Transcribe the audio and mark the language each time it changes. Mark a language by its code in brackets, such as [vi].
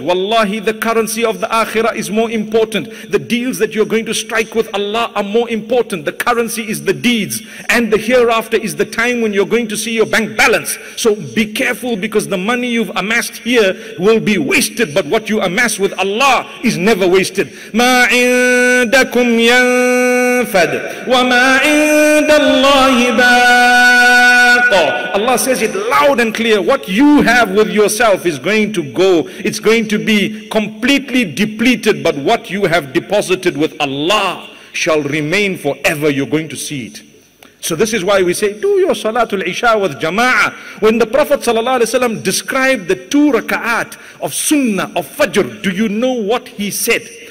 [en] Wallahi, the currency of the akhirah is more important. The deals that you're going to strike with Allah are more important. The currency is the deeds, and the hereafter is the time when you're going to see your bank balance. So be careful, because the money you've amassed here will be wasted, but what you amass with Allah is never wasted. [ar] عندكم ينفد وما عند الله باق. [en] Allah says it loud and clear. What you have with yourself is going to go. It's going to be completely depleted. But what you have deposited with Allah shall remain forever. You're going to see it. So this is why we say, do your Salatul Isha with Jama'ah. When the Prophet Sallallahu Alaihi Wasallam described the two raka'at of Sunnah, of Fajr, do you know what he said?